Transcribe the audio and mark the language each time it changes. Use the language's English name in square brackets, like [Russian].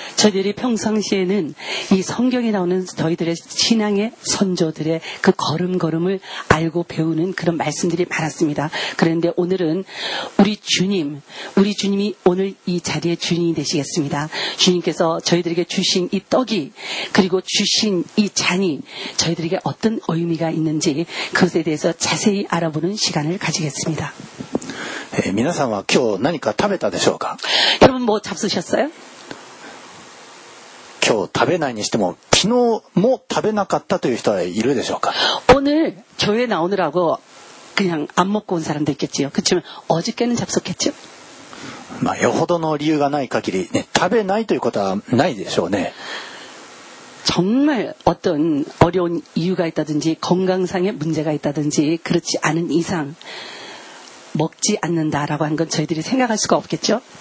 [Korean] 저희들이평상시에는이성경에나오는저희들의신앙의선조들의그걸음걸음을알고배우는그런말씀들이많았습니다그런데오늘은우리 주님이오늘이자리의주인이되시겠습니다주님께서저희들에게주신이떡이그리고주신이잔이저희들에게어떤의미가있는지그것에대해서자세히알아보는시간을가지겠습니다 [Japanese] 皆さんは今日何か食べたでしょうか。 [Korean] 여러분뭐잡수셨어요。 [Japanese] 今日食べないにしても昨日も食べなかったという人はいるでしょうか。 [Korean] 오늘교회나오느라고그냥안먹고온사람도있겠지요。 그렇지만어저께는잡속했죠。 [Japanese] まあよほどの理由がない限り、ね、食べないということはないでしょうね。 [Korean] 정말어떤어려운이유가있다든지건강상의문제가있다든지그렇지않은이상먹지않는다라고한건저희들이생각할수가없겠죠